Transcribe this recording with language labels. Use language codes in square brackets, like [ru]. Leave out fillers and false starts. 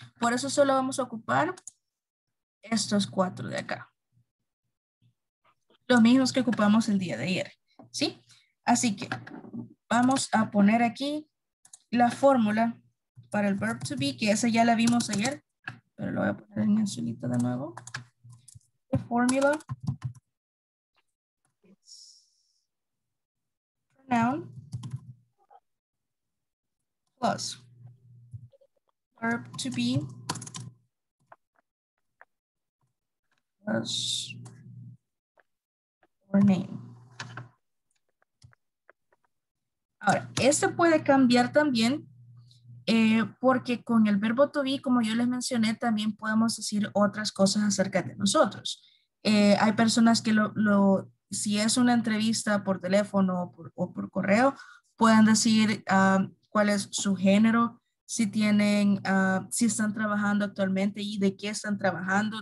[es] Por eso solo vamos a ocupar estos cuatro de acá. Los mismos que ocupamos el día de ayer, ¿sí? Así que vamos a poner aquí la fórmula para el verb to be, que esa ya la vimos ayer, pero lo voy a poner en azulito de nuevo. [en] The formula is pronoun plus verb to be plus your name. [es] Ahora, este puede cambiar también porque con el verbo to be, como yo les mencioné, también podemos decir otras cosas acerca de nosotros. Hay personas que si es una entrevista por teléfono o por correo, pueden decir cuál es su género, si tienen, si están trabajando actualmente y de qué están trabajando.